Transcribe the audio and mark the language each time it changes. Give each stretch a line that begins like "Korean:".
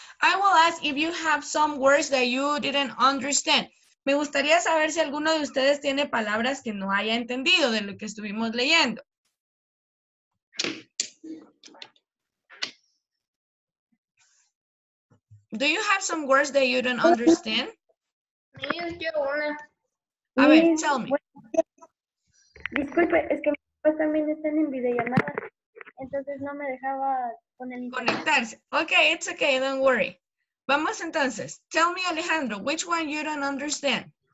English: I will ask if you have some words that you didn't understand.
Spanish: Me gustaría saber si alguno de ustedes tiene palabras que no haya entendido de lo que estuvimos leyendo.
English: Do you have some words that you don't understand? A ver, tell me.
Spanish: Disculpe, es que pues también están en videollamada, entonces no me dejaba con el internet.
English: Conectarse. Okay, it's okay, don't worry. Vamos entonces. Tell me, Alejandro, which one you don't understand?